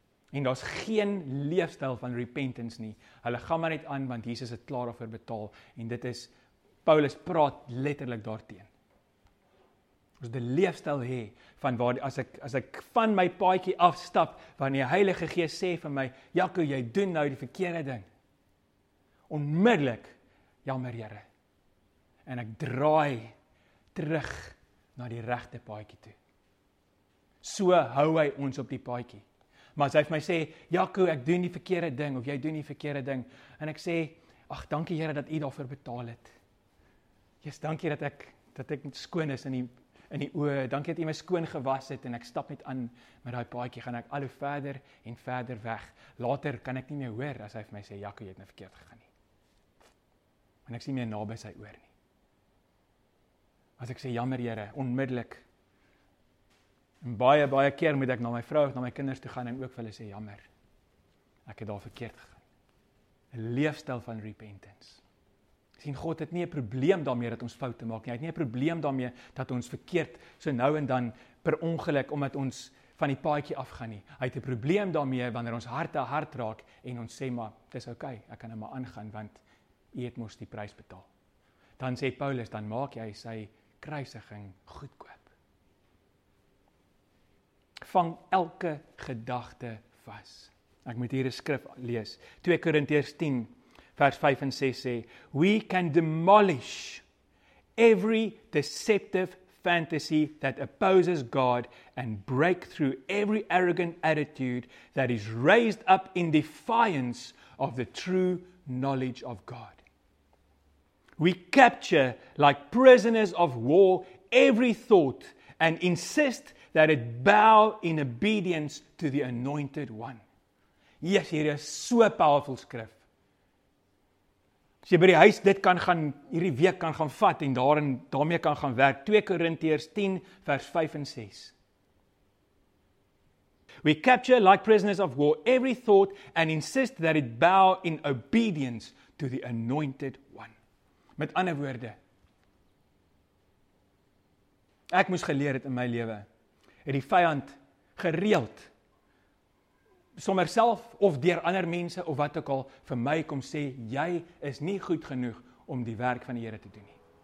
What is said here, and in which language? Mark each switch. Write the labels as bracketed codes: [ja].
[af] En daar is geen leefstyl van repentance nie, hulle gaan maar net aan, want Jesus het klaar daarvoor betaal, en dit is, Paulus praat letterlik daarteen. Ons die leefstyl hê van waar as ek van my paadjie afstap, wanneer die Heilige Gees sê vir my, Jakko, jy doen nou die verkeerde ding. Onmiddellik, jammer Here. En ek draai terug na die regte paadjie toe. So hou hy ons op die paadjie. Maar as hy vir my sê, Jakko, ek doen die verkeerde ding, of jy doen die verkeerde ding, en ek sê, ag, dankie Here dat u daarvoor betaal het. Jesus, dankie dat ek skoon is in die oë, dankie dat jy my skoon gewas het, en ek stap net aan met daai paadjie, gaan ek al hoe verder en verder weg. Later kan ek nie meer hoor, as hy vir my sê, Jakko, jy het nou verkeerd gegaan nie. En ek sien meer na by sy oor nie. As ek sê, jammer Here, onmiddellik, en baie, baie keer moet ek na my vrou, na my kinders toe gaan, en ook vir hulle sê, jammer, ek het daar verkeerd gegaan. Een leefstyl van repentance. Sien, God het nie 'n probleem daarmee dat ons foute maak nie. Hy het nie 'n probleem daarmee dat ons verkeerd so nou en dan per ongeluk omdat ons van die paadjie afgaan nie. Hy het 'n probleem daarmee wanneer ons harte hard raak en ons sê maar, dis okay, ek kan nou maar aangaan want u het mos die prys betaal. Dan sê Paulus, dan maak jy sy kruisiging goedkoop. Vang elke gedagte vas. Ek moet hier 'n skrif lees. 2 Korintiërs 10 Vers 5 en 6 sê, [en] we can demolish every deceptive fantasy that opposes God and break through every arrogant attitude that is raised up in defiance of the true knowledge of God. We capture, like prisoners of war, every thought and insist that it bow in obedience to the Anointed One. [af] Yes, hier is so powerful skrif. As jy by die huis dit kan gaan, hierdie week kan gaan vat en daarin, daarmee kan gaan werk. 2 Korintiërs 10 vers 5 en 6. [en] We capture, like prisoners of war, every thought and insist that it bow in obedience to the Anointed One. [af] Met ander woorde, ek moes geleer het in my lewe, het die vyand gereeld, sommer self of deur ander mense of wat ook al, vir my kom sê, jy is nie goed genoeg om die werk van die Here te doen nie.